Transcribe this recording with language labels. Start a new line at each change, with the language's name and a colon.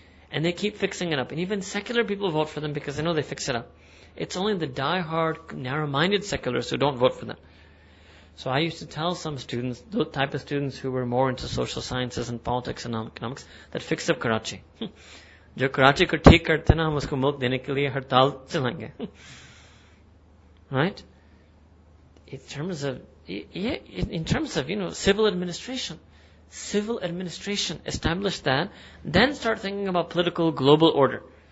English: And they keep fixing it up. And even secular people vote for them because they know they fix it up. It's only the die-hard, narrow-minded seculars who don't vote for them. So I used to tell some students, the type of students who were more into social sciences and politics and economics, that fix up Karachi.
Urdu: جو کراچی کو ٹھیک کرتے نا، ہم اسکو ملک دینے کے لیے ہڑتال چلیں گے۔
English: Right? In terms of civil administration, establish that, then start thinking about political global order.